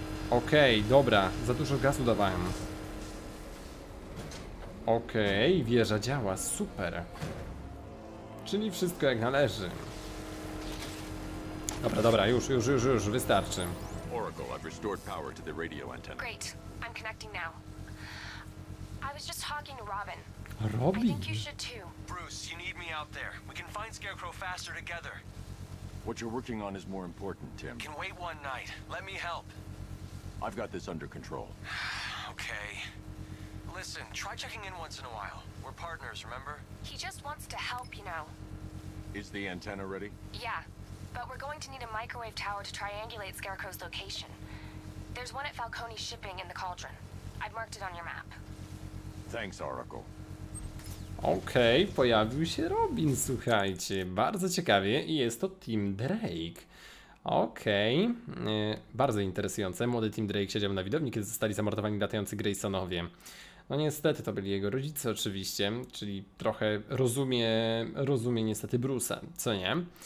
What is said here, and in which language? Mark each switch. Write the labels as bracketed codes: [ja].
[pl] Okej, okay, dobra, za dużo gazu dawałem. Okej, okay, wieża działa, super. Czyli wszystko jak należy. Dobra, dobra, już wystarczy. [en] Oracle, I've restored power to the radio antenna. Great, I'm connecting now. I was just talking to Robin. Robin? I think you should too. Bruce, you need me out there. We can find Scarecrow faster together. What you're working on is more important, Tim. Can wait one night. Let me help. I've got this under control. Okay. Listen, try checking in once in a while. We're partners, remember? He just wants to help, you know. Is the antenna ready? Yeah, but we're going to need a microwave tower to triangulate Scarecrow's location. There's one at Falcone Shipping in the Cauldron. I've marked it on your map. Thanks, Oracle. [pl] Okej, okay, pojawił się Robin, słuchajcie. Bardzo ciekawie i jest to Tim Drake. Okej, okay. Bardzo interesujące. Młody Tim Drake siedział na widowni, kiedy zostali zamordowani latający Graysonowie. No niestety, to byli jego rodzice oczywiście, czyli trochę rozumie niestety Bruce'a, co nie?